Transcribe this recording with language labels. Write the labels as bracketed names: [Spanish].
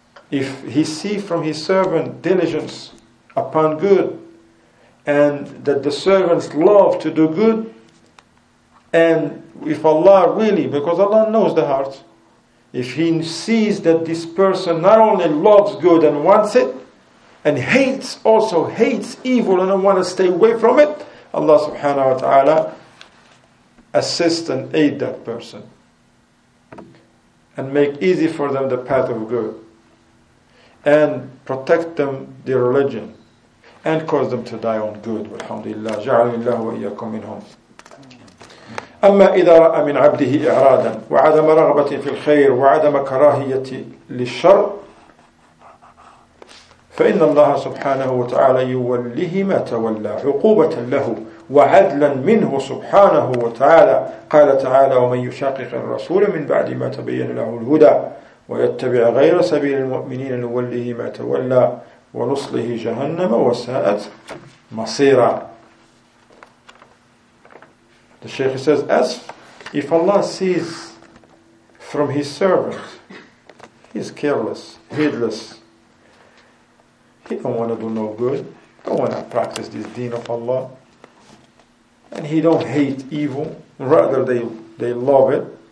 [English] If He see from His servant diligence upon good, and that the servants love to do good, and if Allah really, because Allah knows the heart, if He sees that this person not only loves good and wants it, and hates evil and want to stay away from it, Allah subhanahu wa ta'ala assist and aid that person and make easy for them the path of good and protect them their religion and cause them to die on good. Alhamdulillah, [Arabic] ja'alillahu wa iyyakum minhum. أما إذا رأى من عبده إعرادا وعدم رغبة في الخير وعدم كراهية للشر فإن الله سبحانه وتعالى يوليه ما تولى عقوبة له وعدلا منه سبحانه وتعالى. قال تعالى ومن يشاقق الرسول من بعد ما تبين له الهدى ويتبع غير سبيل المؤمنين نوليه ما تولى ونصله جهنم وساءت مصيرا. [English] The Shaykh says, as if Allah sees from his servant, he is careless, heedless. He don't want to do no good, don't want to practice this deen of Allah. And he don't hate evil, rather they love it.